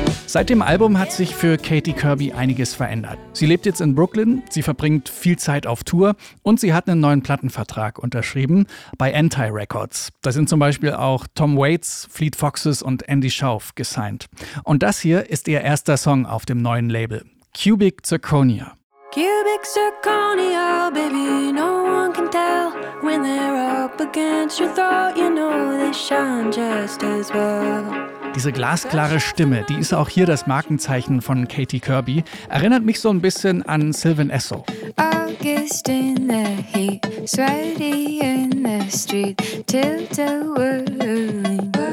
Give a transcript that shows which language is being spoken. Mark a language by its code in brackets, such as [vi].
[de] Seit dem Album hat sich für Katie Kirby einiges verändert. Sie lebt jetzt in Brooklyn, sie verbringt viel Zeit auf Tour und sie hat einen neuen Plattenvertrag unterschrieben bei Anti Records. Da sind zum Beispiel auch Tom Waits, Fleet Foxes und Andy Schauf gesigned. Und das hier ist ihr erster Song auf dem neuen Label, Cubic Zirconia. [en] Cubic Zirconia, baby, no one can tell. When they're up against your throat, you know they shine just as well. [de] Diese glasklare Stimme, die ist auch hier das Markenzeichen von Katie Kirby, erinnert mich so ein bisschen an Sylvain Esso. [en] August in the heat, sweaty in the street, tilt-a-whirling.